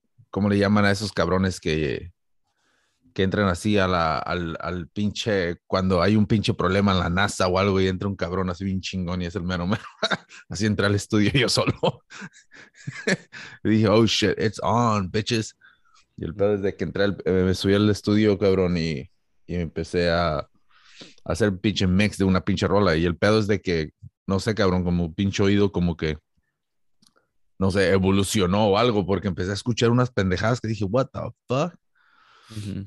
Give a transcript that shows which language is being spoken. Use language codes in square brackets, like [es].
[es] ¿Cómo le llaman a esos cabrones que entran así a la, al pinche... Cuando hay un pinche problema en la NASA o algo y entra un cabrón así bien chingón y es el mero mero. Así entré al estudio yo solo. Y dije, [en] oh shit, it's on, bitches. [es] Y el pedo desde que entré, me subí al estudio, cabrón, y empecé a hacer pinche mix de una pinche rola. Y el pedo es de que, no sé, cabrón, como pinche oído, como que, no sé, evolucionó o algo, porque empecé a escuchar unas pendejadas que dije, [en] what the fuck? [es] Uh-huh.